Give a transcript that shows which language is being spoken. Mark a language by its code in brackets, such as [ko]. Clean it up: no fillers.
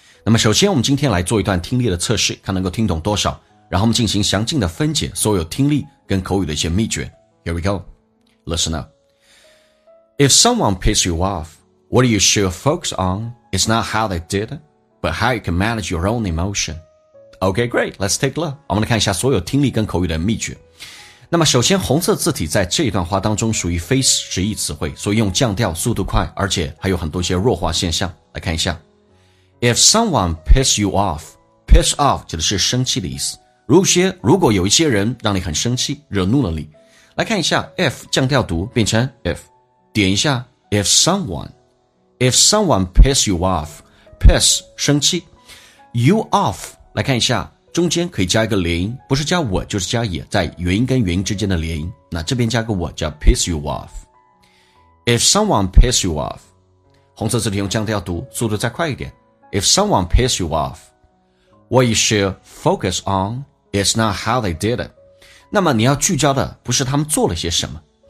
[zh] 那么首先我们今天来做一段听力的测试，看能够听懂多少，然后我们进行详尽的分解所有听力跟口语的一些秘诀。 [en] Here we go. Listen up. If someone pisses you off, what you should focus on is not how they did, but how you can manage your own emotion. Okay, great, let's take a look. [zh] 我们来看一下所有听力跟口语的秘诀。那么首先红色字体在这一段话当中属于非实义词汇，所以用降调速度快，而且还有很多些弱化现象。来看一下 [en] If someone piss you off， [zh] piss off 指的是生气的意思，如果有一些人让你很生气，惹怒了你。来看一下 if 降调读变成 if， 点一下 [en] if someone piss you off， [zh] piss 生气， you off， 来看一下中间可以加一个连音，不是加我就是加也，在元音跟元音之间的连音。那这边加个我叫 [en] piss you off。 If someone piss you off， [zh] 红色字体用降调读，速度再快一点。 [en] If someone piss you off， what you should focus on is not how they did it。 [zh] 那么你要聚焦的不是他们做了些什么。